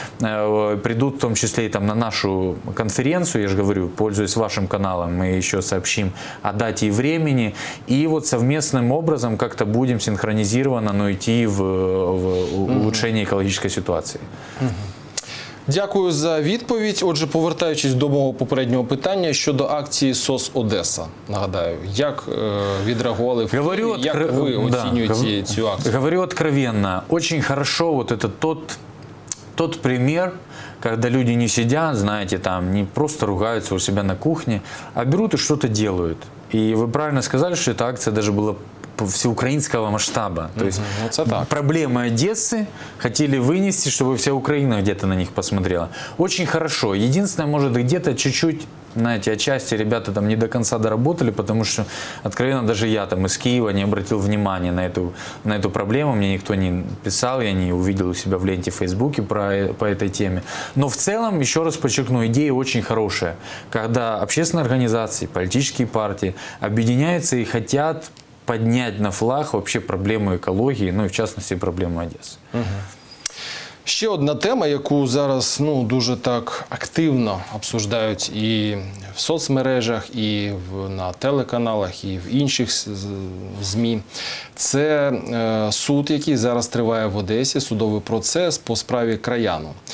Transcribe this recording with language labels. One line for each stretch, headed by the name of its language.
Russian: придут в том числе и там на нашу конференцию, я же говорю, пользуясь вашим каналом, мы еще сообщим о дате и времени, и вот совместным образом как-то будем синхронизированно идти в улучшение экологической ситуации.
Ukrainian: Дякую за відповідь. Отже, повертаючись до мого попереднього питання щодо акції СОС Одеса. Нагадаю, як відреагували, оцінюєте цю акцію?
Russian: Говорю откровенно. Очень хорошо вот этот тот пример, когда люди не сидят, знаете, там, не просто ругаются у себя на кухне, а берут и что-то делают. И вы правильно сказали, что эта акция даже была всеукраинского масштаба. То есть это так. Проблемы Одессы хотели вынести, чтобы вся Украина где-то на них посмотрела. Очень хорошо. Единственное, может, где-то чуть-чуть, знаете, отчасти ребята там не до конца доработали, потому что, откровенно, даже я там из Киева не обратил внимания на эту проблему. Мне никто не писал, я не увидел у себя в ленте в Фейсбуке по этой теме. Но в целом, еще раз подчеркну, идея очень хорошая. Когда общественные организации, политические партии объединяются и хотят
Ukrainian: підняти на флаг вообще проблему екології, в частності проблему Одеси. Ще одна тема, яку зараз дуже так активно обсуждають і в соцмережах, і на телеканалах, і в інших ЗМІ. Це суд, який зараз триває в Одесі, судовий процес по справі Краяну.